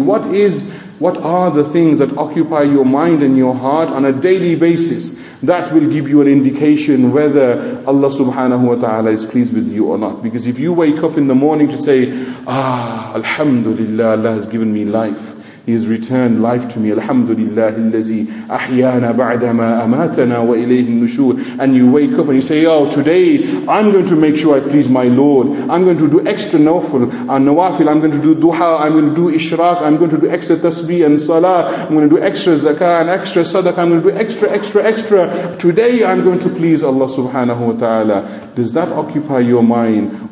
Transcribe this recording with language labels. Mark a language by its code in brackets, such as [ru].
[en] What are the things that occupy your mind and your heart on a daily basis? That will give you an indication whether Allah subhanahu wa ta'ala is pleased with you or not. Because if you wake up in the morning to say, Alhamdulillah, Allah has given me life. He has returned life to me. [ar] Alhamdulillah, الذي أحيانا بعدما أماتنا وإليه النشور. [en] And you wake up and you say, oh, today I'm going to make sure I please my Lord. I'm going to do extra nawafil. I'm going to do duha. I'm going to do ishraq. I'm going to do extra tasbih and salah. I'm going to do extra zakah and extra sadaqah. I'm going to do extra, extra, extra. Today I'm going to please Allah subhanahu wa ta'ala. Does that occupy your mind?